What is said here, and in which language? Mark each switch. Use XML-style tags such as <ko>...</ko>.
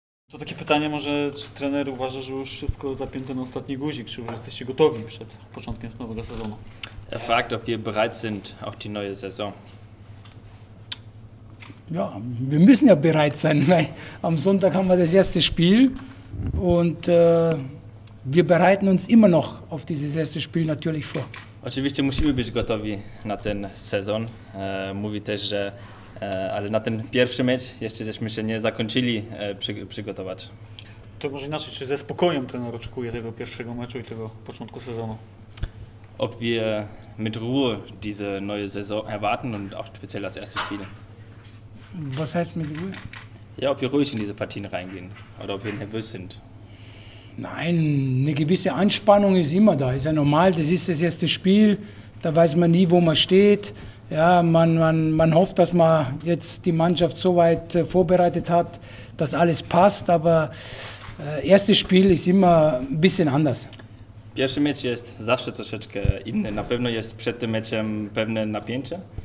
<pl>To takie pytanie może, czy trener uważa, że już wszystko zapięte na ostatni guzik, czy już jesteście gotowi przed początkiem nowego sezonu?</pl> <de>Er fragt, ob wir bereit sind auf die neue Saison. Ja, wir müssen ja bereit sein, weil am Sonntag haben wir das erste Spiel und wir bereiten uns immer noch auf dieses erste Spiel natürlich vor.</de> <pl>Oczywiście musimy być gotowi na ten sezon. Mówi też, że ale na ten pierwszy mecz jeszcze żeśmy się nie zakończyli przygotować. To może inaczej, czy ze spokojem trener oczekuje tego pierwszego meczu i tego początku sezonu?</pl> <de>Ob wir mit Ruhe diese neue Saison erwarten und auch speziell das erste Spiel. Was heißt mit Ruhe? Ja, ob wir ruhig in diese Partien reingehen oder ob wir nervös sind. Nein, eine gewisse Anspannung ist immer da, ist ja normal. Das ist das erste Spiel, da weiß man nie, wo man steht. Ja, man hofft, dass man jetzt die Mannschaft so weit vorbereitet hat, dass alles passt, aber erstes Spiel ist immer ein bisschen anders.</de> <pl>Pierwszy mecz jest zawsze troszeczkę inny. Na pewno jest przed tym meczem pewne napięcie.</pl>